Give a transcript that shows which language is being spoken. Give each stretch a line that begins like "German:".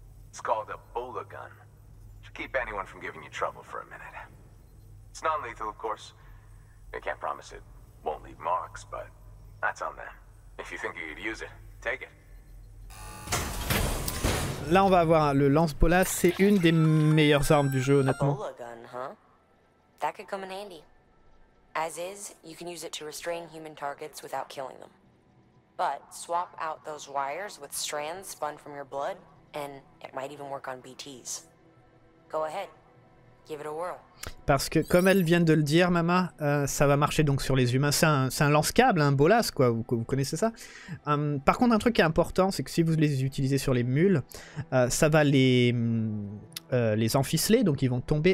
English: It's called a Bola gun. To keep anyone from giving you trouble for a minute. It's non-lethal, of course. They can't promise it won't leave marks, but that's on them. If you think you could use it, take it.
French: Là, on va avoir le lance-bola. C'est une des meilleures armes du jeu, honnêtement.
English: A Bola gun, huh? That could come in handy. As is, you can use it to restrain human targets without killing them. But swap out those wires with strands spun from your blood, and it might even work on BTs. Go ahead, give it a whirl.
French: Parce que comme elle vient de le dire, Mama, ça va marcher donc sur les humains. C'est un lance-câble, un bolas, quoi. Vous connaissez ça. Par contre, un truc qui est important, c'est que si vous les utilisez sur les mules, ça va les enficeler, donc ils vont tomber.